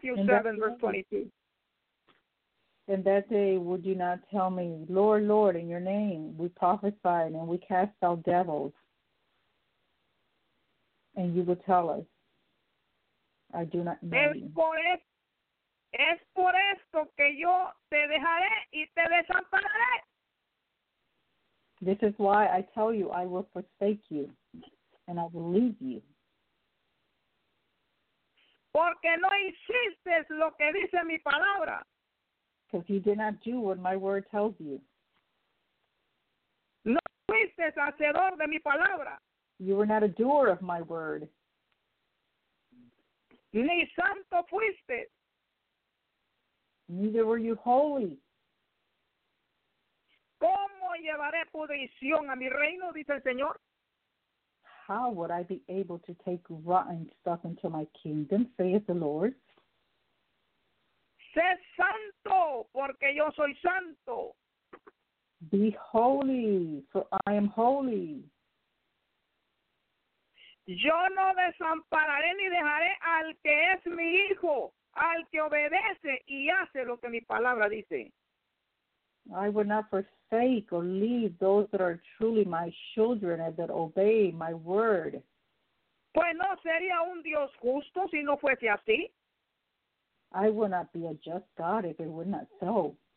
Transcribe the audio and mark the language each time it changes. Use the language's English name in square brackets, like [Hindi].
[English] Matthew 7:22. And that day, would you not tell me, Lord, Lord, in your name we prophesied and we cast out devils? And you would tell us, I do not know es you. [Spanish] Es por esto que yo te dejaré y te desampararé. [English] This is why I tell you I will forsake you and I will leave you. [Spanish] Porque no hiciste lo que dice mi palabra. [English] Because you did not do what my word tells you. [Spanish] No fuiste hacedor de mi palabra. [English] You were not a doer of my word. [Spanish] Ni santo fuiste. [English] Neither were you holy. [Spanish] ¿Cómo llevaré pudrición a mi reino? Dice el Señor. [English] How would I be able to take rotten stuff into my kingdom? Saith the Lord. [Spanish] Sé santo, porque yo soy santo. [English] Be holy, for I am holy. [Spanish] Yo no desampararé ni dejaré al que es mi hijo, al que obedece y hace lo que mi palabra dice. [English] I will not forsake or leave those that are truly my children and that obey my word. [Spanish] Pues no sería un Dios justo si no fuese así. [English] I would not be a just God if it were not so.